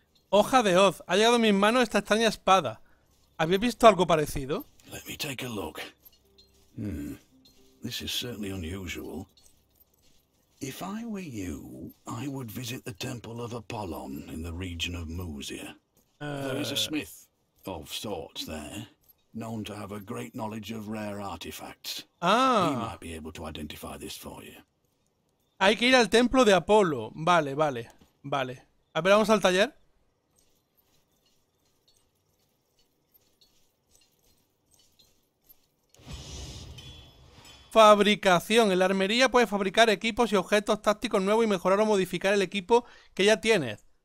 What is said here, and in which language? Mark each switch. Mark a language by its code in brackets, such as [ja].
[es] Hoja de Hoz. Ha llegado a mis manos esta extraña espada. ¿Habéis visto algo parecido? [en] Let me take a look. This is certainly unusual. If I were you, I would visit the temple of Apollon in the region of Musia. There is a smith of sorts there, known to have a great knowledge of rare artifacts. Ah. He might be able to identify this for you. [es] Hay que ir al templo de Apolo. Vale, vale, vale. A ver, vamos al taller. Fabricación. En la armería puedes fabricar equipos y objetos tácticos nuevos y mejorar o modificar el equipo que ya tienes.